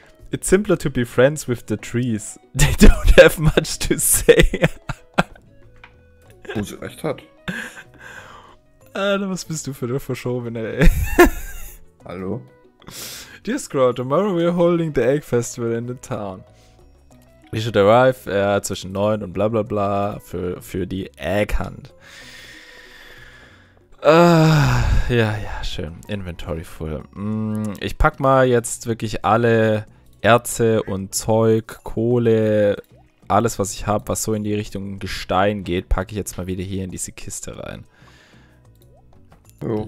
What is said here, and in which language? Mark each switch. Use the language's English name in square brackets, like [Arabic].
[English] It's simpler to be friends with the trees. They don't have much to say. [German] Wo sie recht hat. Alter, was bist du für eine Verschobene, ey? Hallo? [English] Dear Scroll, tomorrow we're holding the Egg Festival in the town. We should arrive [German] zwischen 9 und bla bla bla für die Egg Hunt. Ja, ja, schön. [English] Inventory full. [German] Ich pack mal jetzt wirklich alle Erze und Zeug, Kohle, alles was ich habe, was so in die Richtung Gestein geht, packe ich jetzt mal wieder hier in diese Kiste rein. Jo.